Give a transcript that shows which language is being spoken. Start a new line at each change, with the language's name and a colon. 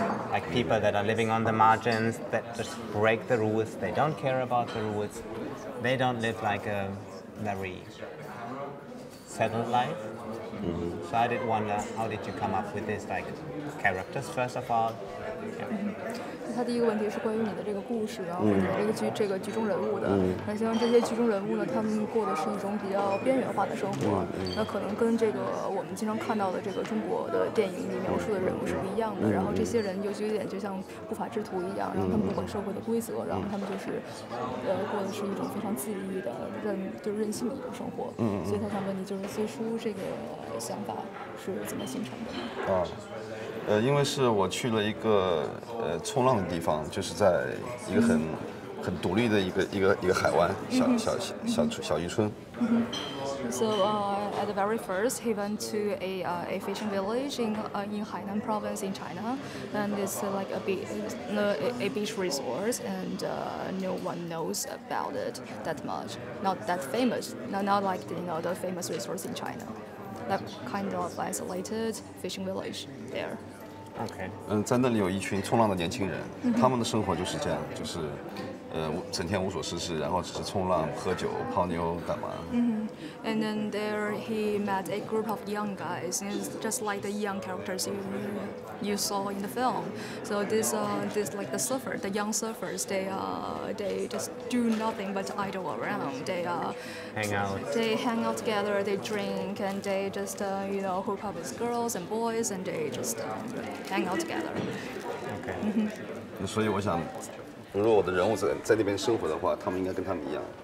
English: Like people that are living on the margins, that just break the rules, they don't care about the rules, they don't live like a very settled life. Mm-hmm. So I did wonder, how did you come up with this, like, characters, first of all?
Chinese: Yeah. 他第一个问题是关于你的这个故事，然后你的这个剧中人物的。那像这些剧中人物呢，他们过的是一种比较边缘化的生活，那可能跟这个我们经常看到的这个中国的电影里描述的人物是不一样的。然后这些人就有点就像不法之徒一样，然后他们不管社会的规则，然后他们就是过的是一种非常自律的任性的一种生活。所以他想问你，就是最初这个想法是怎么形成的？因为是我去了一个冲浪的地方，就是在一个很独立的一个海湾，小渔村。
English: So at the very first, he went to a fishing village in Hainan province in China, and it's like a beach resort, and no one knows about it that much. Not that famous. Not like the famous resort in China. That kind of isolated fishing village there. Okay.
Chinese: 在那里有一群冲浪的年轻人，他们的生活就是这样，就是整天无所事事，然后只是冲浪、喝酒、泡妞、打麻。
English: And then there he met a group of young guys, just like the young characters you saw in the film. So this like the surfer, the young surfers, they just do nothing but idle around. They hang out. They hang out together. They drink and they just hook up with girls and boys and they just hang out together. Okay.
Chinese: 所以我想。如果我的人物在那边生活的话，他们应该跟他们一样。